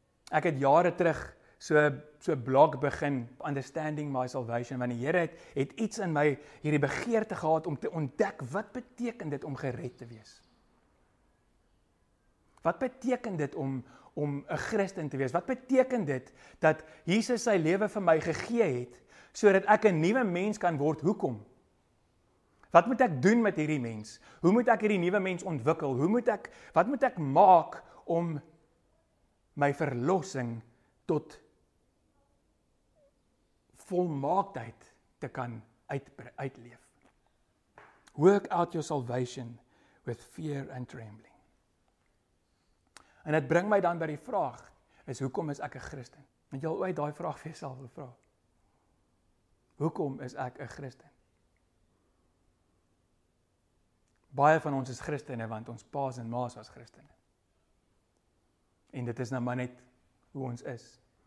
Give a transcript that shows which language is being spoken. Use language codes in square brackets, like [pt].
[af] Ek het jare terug so blog begin, Understanding My Salvation, want die Here het iets in my hierdie begeerte gehad om te ontdek wat beteken dit om gered te wees. Wat beteken dit om 'n Christen te wees? Wat beteken dit dat Jesus sy lewe vir my gegee het sodat ek 'n nuwe mens kan word? Hoekom? Wat moet ek doen met hierdie mens? Hoe moet ek hierdie nuwe mens ontwikkel? Wat moet ek maak om my verlossing tot volmaaktheid te kan uitleef? [en] Work out your salvation with fear and trembling. [af] En dit bring my dan by die vraag, is hoekom is ek 'n Christen? Want jy al ooit daai vraag vir jouself gevra? Hoekom is ek 'n Christen? Baie van ons is Christene, want ons paas en maas was Christene. En dit is nou maar net hoe ons is.